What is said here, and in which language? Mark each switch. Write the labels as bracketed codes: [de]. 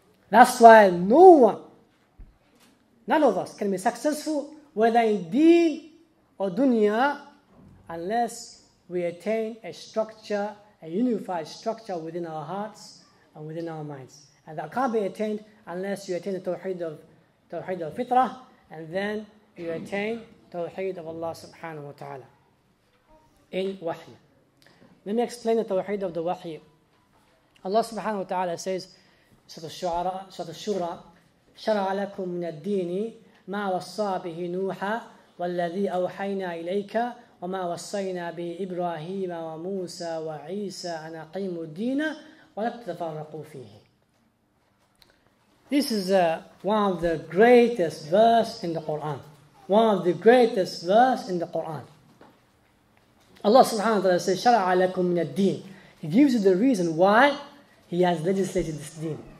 [en] That's why no one, none of us can be successful, whether in deen or dunya, unless we attain a structure, a unified structure within our hearts and within our minds. And that can't be attained unless you attain the tawheed of fitrah, and then you attain tawheed of Allah subhanahu wa ta'ala in wahy. Let me explain the tawheed of the wahy. Allah subhanahu wa ta'ala says, Surah Al-Shura, [ar] شرع لكم من الدين ما وصى به نوحا والذي أوحينا إليك وما وصينا به إبراهيم وموسى وعيسى أن أقيموا الدين ولا تتفرقوا فيه. [en] This is one of the greatest verses in the Quran. One of the greatest verses in the Quran. Allah subhanahu wa ta'ala says, [ar] شرع لكم من الدين. [en] He gives you the reason why He has legislated this deen.